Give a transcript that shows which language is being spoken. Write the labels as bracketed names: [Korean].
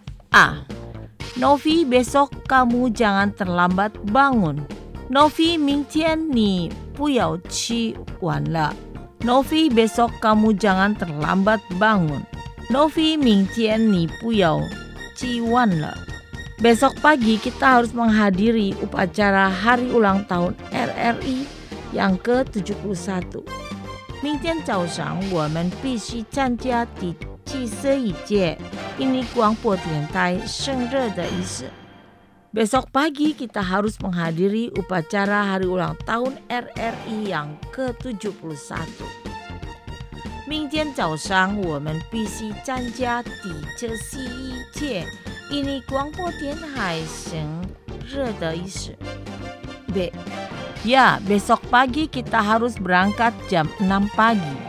[Indonesian] 啊， Novi, besok kamu jangan terlambat bangun. [Chinese] Novi, 明天你不要去玩了。 [Indonesian] Novi, besok kamu jangan terlambat bangun. [Chinese] Novi, 明天你不要去玩了。 [Indonesian] Besok pagi kita harus menghadiri upacara hari ulang tahun RRI yang ke-71. [Chinese] 明天早上我们必须参加第71届印尼广播电台生日的仪式。 [Indonesian] Besok pagi kita harus menghadiri upacara hari ulang tahun RRI yang ke-71. [Chinese] 明天早上我们必须参加第71届印尼广播电台生日的仪式。 [Indonesian] Ya, besok pagi kita harus berangkat jam 6 pagi.